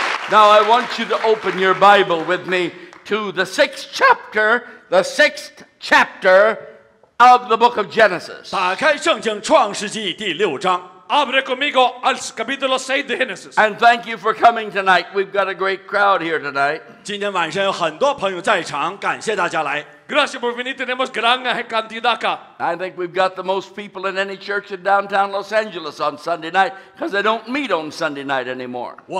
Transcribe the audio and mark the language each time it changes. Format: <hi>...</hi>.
<en>Now I want you to open your Bible with me to the sixth chapter of the book of Genesis.</en> <zh>打开圣经创世纪第六章。</zh> <es>Abre conmigo al capítulo 6 de Genesis.</es> <en>And thank you for coming tonight. We've got a great crowd here tonight.</en> <zh>今天晚上有很多朋友在场，感谢大家来。</zh> <es>Gracias por venir, tenemos gran cantidad acá.</es> <en>I think we've got the most people in any church in downtown Los Angeles on Sunday night because they don't meet on Sunday night anymore.</en>